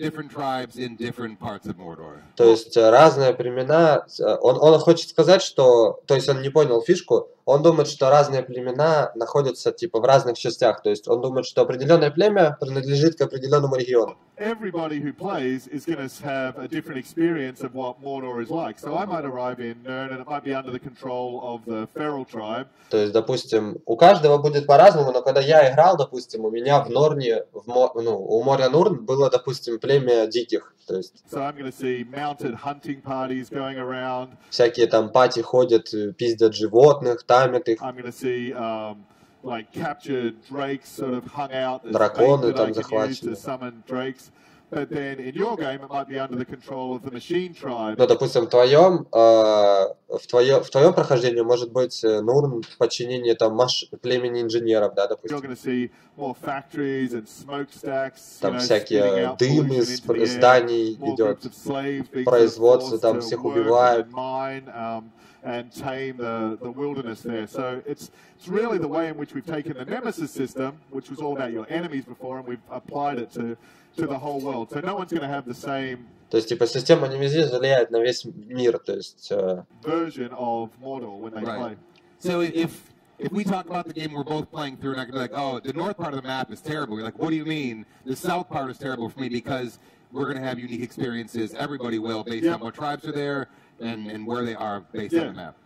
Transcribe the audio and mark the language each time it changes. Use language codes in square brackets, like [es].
[ru] То есть разные племена... Он хочет сказать, что... То есть он не понял фишку. Он думает, что разные племена находятся типа в разных частях. То есть он думает, что определенное племя принадлежит к определенному региону. [en] Everybody who plays is going to have a different experience of what Mordor is like. So I might arrive in Nirn and it might be under the control of the Feral tribe. [ru] То есть, допустим, у каждого будет по-разному, но когда я играл, допустим, у меня в Норне, у моря Нурн было, допустим, племя диких. То есть, [en] so I'm going to see mounted hunting parties going around. [ru] Всякие там пати ходят, пиздят животных, тамят их. [en] I'm going to see, like captured drakes sort of hung out. [ru] Драконы там захвачены. [en] To summon drakes. But then in your game it might be under the control of the machine tribe. [ru] Ну, допустим, в твоем прохождении может быть Нурн подчинение там племени инженеров, да, допустим. [en] You're gonna see more factories and smokestacks, [ru] там всякие дымы из зданий идет, производство там всех убивает. [en] And tame the wilderness there. So it's really the way in which we've taken the nemesis system, which was all about your enemies before, and we've applied it to the whole world. So no one's going to have the same. [ru] То есть типа система нимизис влияет на весь мир, то есть. [en] Version of Mordor when they play. So if we talk about the game we're both playing through, and I can be like, oh, the north part of the map is terrible. You're like, what do you mean? The south part is terrible for me because we're going to have unique experiences. Everybody will based on what tribes are there. And where they are based on the map.